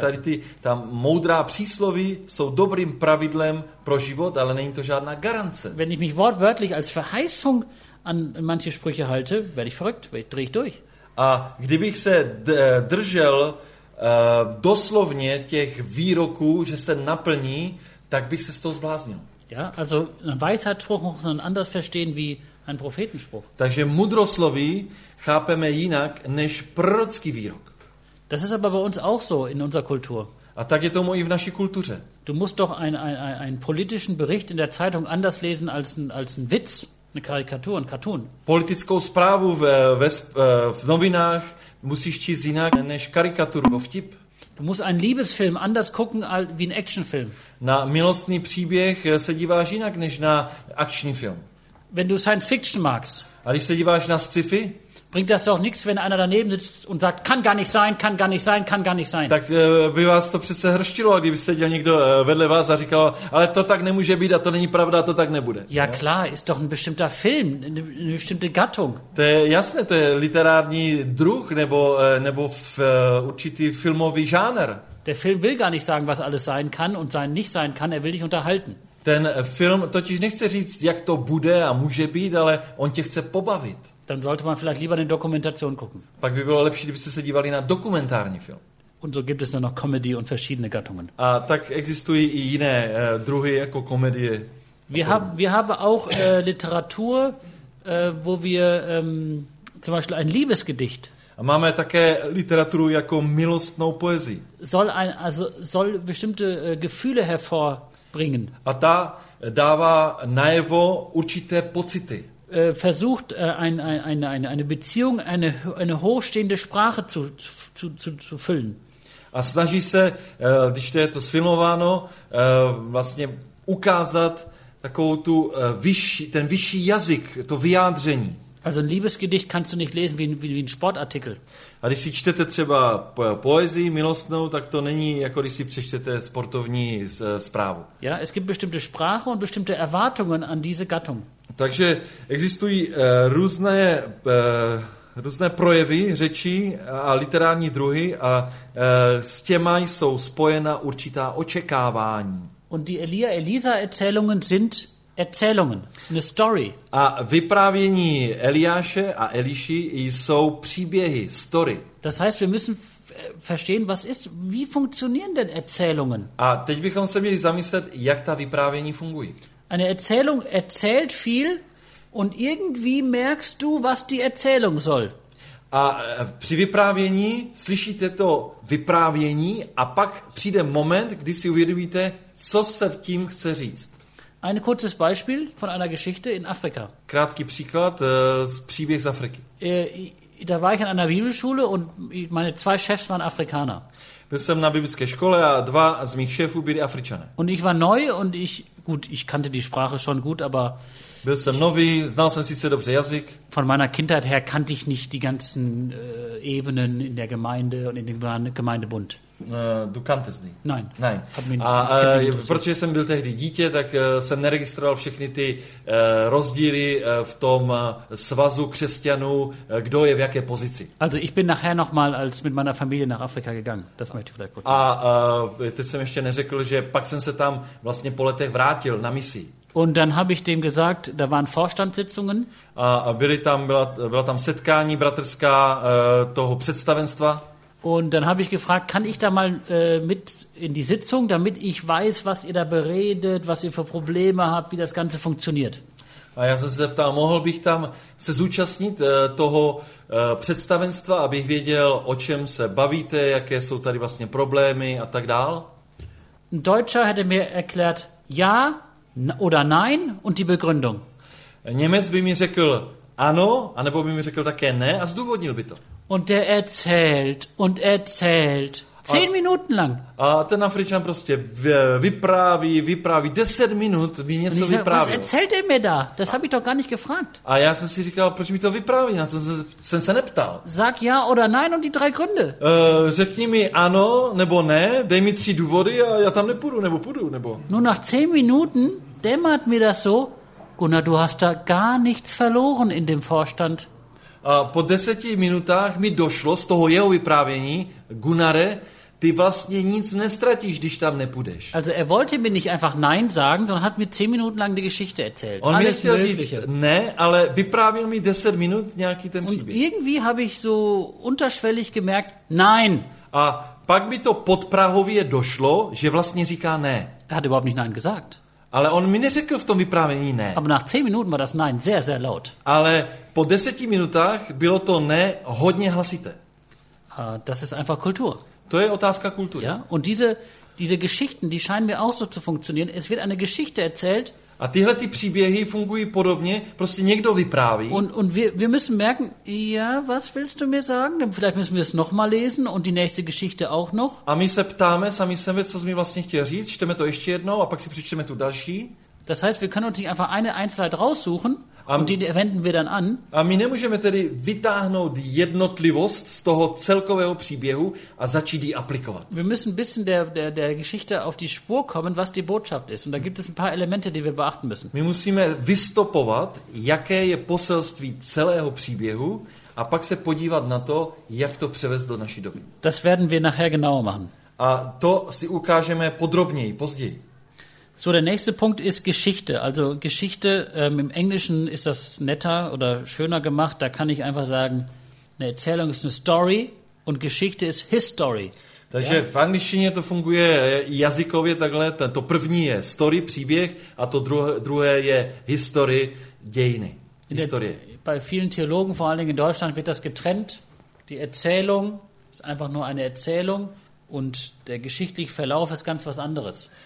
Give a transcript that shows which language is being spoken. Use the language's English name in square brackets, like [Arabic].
[Czech] Takže tady ta moudrá přísloví jsou dobrým pravidlem pro život, ale není to žádná garance. [German] Wenn ich mich wortwörtlich als Verheißung an manche Sprüche halte, werde ich verrückt, drehe ich durch. [Czech] A kdybych se držel doslovně těch výroků, že se naplní, tak bych se z toho zbláznil. [German] Ja, also ein Weisheitsspruch muss man anders verstehen wie ein Prophetenspruch. [Czech] Takže mudrosloví chápeme jinak než prorocký výrok. [German] Das ist aber bei uns auch so in unserer Kultur. [Czech] A tak je to i v naší kultuře. [German] Du musst doch einen politischen Bericht in der Zeitung anders lesen als ein Witz, eine Karikatur, ein Cartoon. [Czech] Politickou zprávu v novinách musíš číst jinak než karikaturu, vtip. [German] Du musst einen Liebesfilm anders gucken als wie ein Actionfilm. [Czech] Na milostný příběh se díváš jinak než na akční film. [German] Wenn du Science Fiction magst. [Czech] A když se díváš na sci-fi? [German] Bringt das doch nichts, wenn einer daneben sitzt und sagt, kann gar nicht sein, kann gar nicht sein, kann gar nicht sein. [Czech] Tak by vás to přece hrštilo, kdyby seděl někdo vedle vás a říkal, ale to tak nemůže být a to není pravda, a to tak nebude. [German] Ja, ne? Klar, ist doch ein bestimmter Film, eine bestimmte Gattung. [Czech] To je jasné, to je literární druh nebo v určitý filmový žánr. [German] Der Film will gar nicht sagen, was alles sein kann und sein nicht sein kann, er will dich unterhalten. [Czech] Ten film totiž nechce říct, jak to bude a může být, ale on tě chce pobavit. [German] Dann sollte man vielleicht lieber eine Dokumentation gucken. [Czech] Pak by bylo lepší, kdybyste se dívali na dokumentární film. [German] Und so gibt es dann noch Comedy und verschiedene Gattungen. [Czech] A tak existují i jiné druhy jako komedie. [German] Wir haben auch Literatur, wo wir zum Beispiel ein Liebesgedicht. [Czech] A máme také literaturu jako milostnou poezii. [German] Soll bestimmte Gefühle hervorbringen. [Czech] A ta dává najevo určité pocity. [German] Versucht eine Beziehung eine hochstehende Sprache zu füllen. [Czech] A snaží se, když to je to sfilmováno, vlastně ukázat takovou tu vyšší, ten vyšší jazyk, to vyjádření. [German] Also ein Liebesgedicht kannst du nicht lesen wie ein Sportartikel. [Czech] A když si čtete třeba poezii milostnou, tak to není jako když si přečtete sportovní zprávu. [German] Ja, es gibt bestimmte Sprache und bestimmte Erwartungen an diese Gattung. [Czech] Takže existují různé projevy řeči a literární druhy a s těma jsou spojena určitá očekávání. [German] Und die Elia-Elisa Erzählungen sind Erzählungen, eine Story. [Czech] A vyprávění Eliáše a Eliši jsou příběhy, story. [German] Das heißt, wir müssen verstehen, was ist, wie funktionieren denn Erzählungen? [Czech] A teď bychom se měli zamyslet, jak ta vyprávění fungují. [German] Eine Erzählung erzählt viel und irgendwie merkst du, was die Erzählung soll. [Czech] A při vyprávění slyšíte to vyprávění a pak přijde moment, kdy si uvědomíte, co se tím chce říct. [German] Ein kurzes Beispiel von einer Geschichte in Afrika. [Czech] Krátký příklad z příběh z Afriky. [German] Da war ich an einer Bibelschule und meine zwei Chefs waren Afrikaner. [Czech] Byl jsem na biblické škole a dva z mých šéfů byli Afričané. [German] Und ich war neu und ich kannte die Sprache schon gut, aber [Czech] byl jsem nový, znal jsem sice dobře jazyk. [German] Von meiner Kindheit her kannte ich nicht die ganzen Ebenen in der Gemeinde und in dem Gemeindebund. Du kanntest die? Nein. Nein. [Czech] Protože jsem byl tehdy dítě, tak jsem neregistroval všechny ty rozdíly v tom svazu křesťanů, kdo je v jaké pozici. [German] Also ich bin nachher noch mal als mit meiner Familie nach Afrika gegangen. Das möchte ich vielleicht kurz. [Czech] Teď jsem ještě neřekl, že pak jsem se tam vlastně po letech vrátil na misi. [German] Und dann habe ich dem gesagt, da waren Vorstandssitzungen. [Czech] Byla tam setkání bratrská toho představenstva. [German] Und dann habe ich gefragt, kann ich da mal mit in die Sitzung, damit ich weiß, was ihr da beredet, was ihr für Probleme habt, wie das Ganze funktioniert. [Czech] A já jsem se ptal, mohl bych tam se zúčastnit toho představenstva, abych věděl, o čem se bavíte, jaké jsou tady vlastně problémy a tak dál. [German] Ein Deutscher hätte mir erklärt, ja oder nein und die Begründung. [Czech] Němec by mi řekl ano, anebo by mi řekl také ne a zdůvodnil by to. [German] Und der erzählt und erzählt 10 Minuten lang. [Czech] A ten Afričan prostě vypráví 10 minut mi něco vypráví. [German] Was erzählt er mir da? Das habe ich doch gar nicht gefragt. [Czech] A já jsem si říkal, proč mi to vypráví? Na co jsem se neptal. [German] Sag ja oder nein und die drei Gründe. [Czech] Řekni mi ano nebo ne, dej mi tři důvody a já tam nepůjdu nebo půjdu nebo. [German] Nur nach 10 Minuten dämmert mir das so, Gunnar, du hast da gar nichts verloren in dem Vorstand. [Czech] A po 10 minutách mi došlo z toho jeho vyprávění, Gunare, ty vlastně nic nestratíš, když tam nepůjdeš. [German] Also er wollte mir nicht einfach nein sagen, sondern hat mir 10 Minuten lang die Geschichte erzählt. [Czech] On mi chtěl říct ne, ale vyprávěl mi 10 minut nějaký ten příběh. [German] Und irgendwie habe ich so unterschwellig gemerkt, nein. [Czech] A pak mi to podprahově došlo, že vlastně říká ne. [German] Er hat überhaupt nicht nein gesagt. [Czech] Ale on mi neřekl v tom vyprávění ne. [German] Aber nach 10 Minuten war das nein sehr sehr laut. [Czech] Ale po 10 minutách bylo to ne hodně hlasité. [German] Das ist einfach Kultur. [Czech] To je otázka kultury. [German] Ja, und diese Geschichten, die scheinen mir auch so zu funktionieren. Es wird eine Geschichte erzählt. [Czech] A tyhle ty příběhy fungují podobně, prostě někdo vypráví. [German] Und wir müssen merken, ja, was willst du mir sagen? Vielleicht müssen wir es noch mal lesen und die nächste Geschichte auch noch. [Czech] A my se ptáme sami sebe, co jsi mi vlastně chtěl říct, čteme to ještě jednou a pak si přečteme tu další. [German] Das heißt, wir können uns nicht einfach eine Einzelheit raussuchen und die wenden wir dann an. [Czech] A my nemůžeme tedy vytáhnout jednotlivost z toho celkového příběhu a začít ji aplikovat. [German] Wir müssen ein bisschen der Geschichte auf die Spur kommen, was die Botschaft ist. Und da gibt es ein paar Elemente, die wir beachten müssen. [Czech] My musíme vystopovat, jaké je poselství celého příběhu a pak se podívat na to, jak to převést do naší doby. [German] Das werden wir nachher genauer machen. [Czech] A to si ukážeme podrobněji, později. [German] So, der nächste Punkt ist Geschichte. Also Geschichte, im Englischen ist das netter oder schöner gemacht. Da kann ich einfach sagen, eine Erzählung ist eine Story und Geschichte ist History. [Czech] Takže ja? V angličtině to funguje jazykově takhle. To první je story, příběh, a to druhé je history, dějiny, historie. [German] Bei vielen Theologen, vor allem in Deutschland, wird das getrennt. Die Erzählung ist einfach nur eine Erzählung und der geschichtliche Verlauf ist ganz was anderes.